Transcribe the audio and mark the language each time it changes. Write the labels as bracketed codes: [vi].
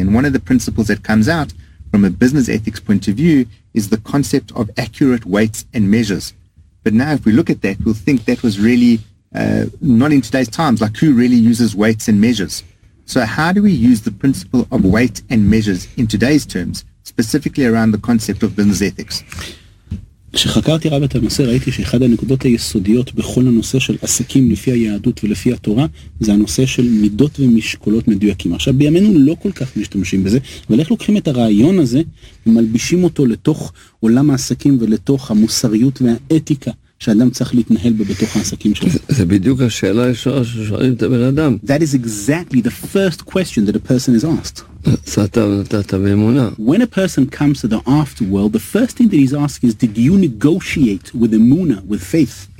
[en] And one of the principles that comes out from a business ethics point of view is the concept of accurate weights and measures. But now if we look at that, we'll think that was really not in today's times. Like, who really uses weights and measures? So how do we use the principle of weight and measures in today's terms, specifically around the concept of business ethics. [he] כשחקרתי רב את הנושא, ראיתי שאחד הנקודות היסודיות בכל הנושא של עסקים לפי היהדות ולפי התורה, זה הנושא של מידות ומשקולות מדויקים. עכשיו, בימינו לא כל כך משתמשים בזה, אבל איך לוקחים את הרעיון הזה ומלבישים אותו לתוך עולם העסקים ולתוך המוסריות והאתיקה שאדם צריך להתנהל בתוך העסקים שלו? זה בדיוק השאלה הישרה ששואלים את הבן אדם. [en] That is exactly the first question that a person is asked. When a person comes to the afterworld, the first thing that he's asking is, did you negotiate with Emuna, with faith?